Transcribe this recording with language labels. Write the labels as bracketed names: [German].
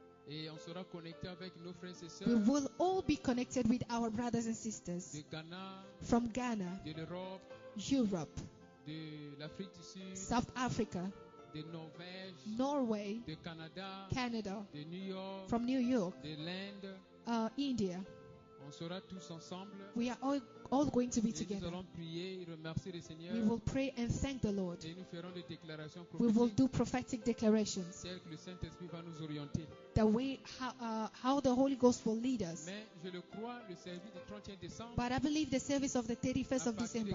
[French] Et on sera connecté avec nos frères et sœurs. [English] We will all be connected with our brothers and sisters. [French] De Ghana. [English] From Ghana. [French] De l'Europe. [English] Europe. [French] De l'Afrique du Sud. [English] South Africa. [French] De Norvège. [English] Norway. [French] De Canada. [English] Canada. [French] De New York. [English] From New York. [French] De l'Inde. [English] India. [French] On sera tous ensemble. [English] We are all going to be together. [French] Nous allons prier et remercier le Seigneur. [English] We will pray and thank the Lord. [French] Et nous ferons des déclarations prophétiques. [English] We will do prophetic declarations. [French] Celles que le Saint-Esprit va nous orienter. [English] The way how the Holy Ghost will lead us. [French] Mais je le crois, le service du 31 décembre. [English] But I believe the service of the 31st of December.